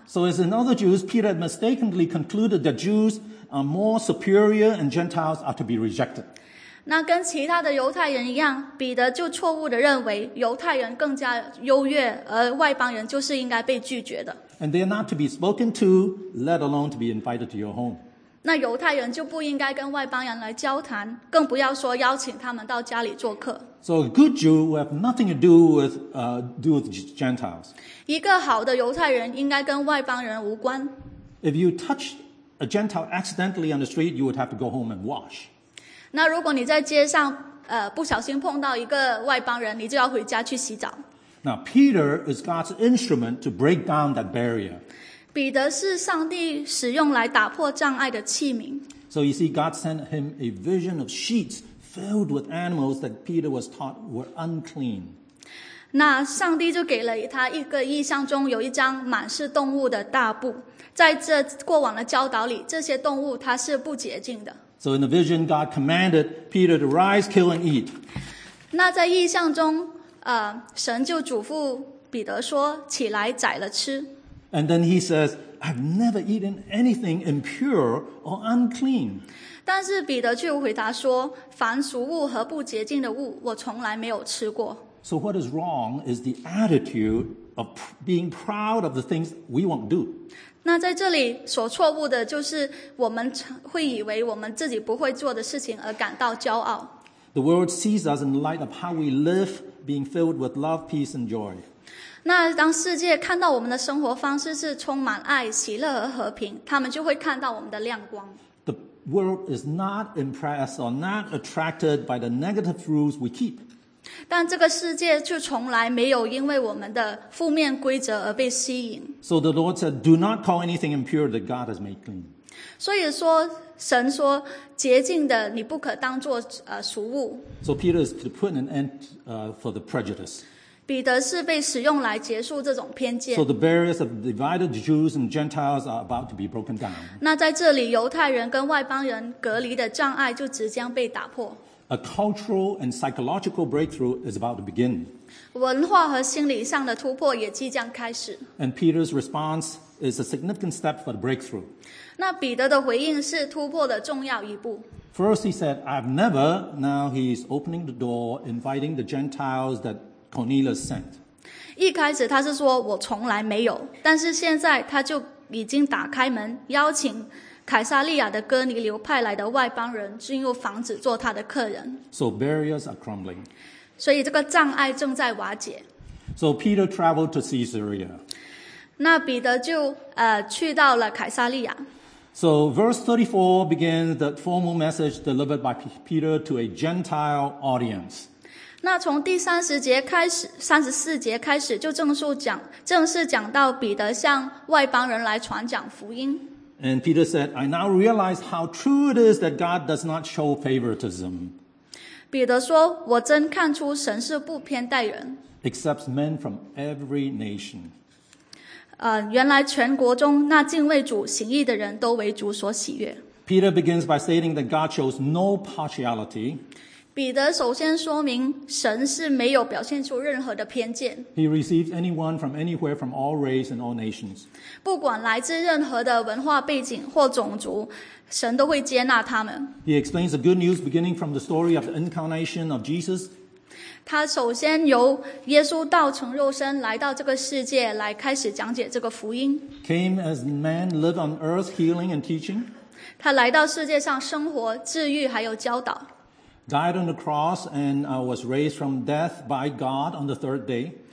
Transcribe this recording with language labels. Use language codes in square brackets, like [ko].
[en] So as in other Jews, Peter had mistakenly concluded that Jews are more superior and Gentiles are to be rejected. [zh] 那跟其他的犹太人一样，彼得就错误地认为犹太人更加优越，而外邦人就是应该被拒绝的。 [en] And they are not to be spoken to, let alone to be invited to your home. [zh] 那犹太人就不应该跟外邦人来交谈，更不要说邀请他们到家里做客。 [en] So a good Jew will have nothing to do with Gentiles. [zh] 一个好的犹太人应该跟外邦人无关。 [en] If you touch a Gentile accidentally on the street, you would have to go home and wash. [zh] 那如果你在街上不小心碰到一个外邦人，你就要回家去洗澡。 [en] Now Peter is God's instrument to break down that barrier. [zh] 彼得是上帝使用来打破障碍的器皿。 [en] So you see, God sent him a vision of sheets filled with animals that Peter was taught were unclean. [zh] 那上帝就给了他一个意象中有一张满是动物的大布，在这过往的教导里，这些动物它是不洁净的。 [en] So in the vision, God commanded Peter to rise, kill, and eat. [zh] 那在意象中，神就嘱咐彼得说：“起来，宰了吃。” [en] And then he says, "I've never eaten anything impure or unclean." [zh] 但是彼得却回答说：“凡俗物和不洁净的物，我从来没有吃过。” [en] So what is wrong is the attitude of being proud of the things we won't do. [zh] 那在这里所错误的就是我们会以为我们自己不会做的事情而感到骄傲。 [en] The world sees us in the light of how we live, being filled with love, peace, and joy. [zh] 那当世界看到我们的生活方式是充满爱、喜乐和和平，他们就会看到我们的亮光。 [en] The world is not impressed or not attracted by the negative rules we keep. [zh] 但这个世界就从来没有因为我们的负面规则而被吸引。 [en] So the Lord said, "Do not call anything impure that God has made clean." [zh] 所以说，神说洁净的你不可当作俗物。 [en] So Peter is to put an end for the prejudice. [zh] 彼得是被使用来结束这种偏见。 [en] So the barriers of divided Jews and Gentiles are about to be broken down. [zh] 那在这里，犹太人跟外邦人隔离的障碍就即将被打破。 [en] A cultural and psychological breakthrough is about to begin. [zh] 文化和心理上的突破也即将开始。 [en] And Peter's response is a significant step for the breakthrough. [zh] 那彼得的回应是突破的重要一步。 [en] First he said, I've never, now he's opening the door, inviting the Gentiles that Cornelius sent. [zh] 一开始他是说我从来没有，但是现在他就已经打开门，邀请凯撒利亚的哥尼流派来的外邦人进入房子做他的客人。 [en] So barriers are crumbling. [zh] 所以这个障碍正在瓦解。 [en] So Peter traveled to Caesarea. [zh] 那彼得就去到了凯撒利亚。 [en] So verse 34 begins the formal message delivered by Peter to a Gentile audience. [zh] 那从第34节开始就正式讲到彼得向外邦人来传讲福音。 [en] And Peter said, I now realize how true it is that God does not show favoritism. [zh] 彼得说，我真看出神是不偏待人。 [en] Accepts men from every nation. [zh] 原来全国中那敬畏主行义的人都为主所喜悦。 [en] Peter begins by stating that God shows no partiality. [zh] 彼得首先说明神是没有表现出任何的偏见。 [en] He receives anyone from anywhere from all race and all nations. [zh] 不管来自任何的文化背景或种族，神都会接纳他们。 [en] He explains the good news beginning from the story of the incarnation of Jesus. [zh] 他首先由耶稣道成肉身来到这个世界来开始讲解这个福音。 [en] Came as man, lived on earth, healing and teaching. [zh] 他来到世界上生活、治愈还有教导。 [en] Died on the cross and was raised from death by God on the third day.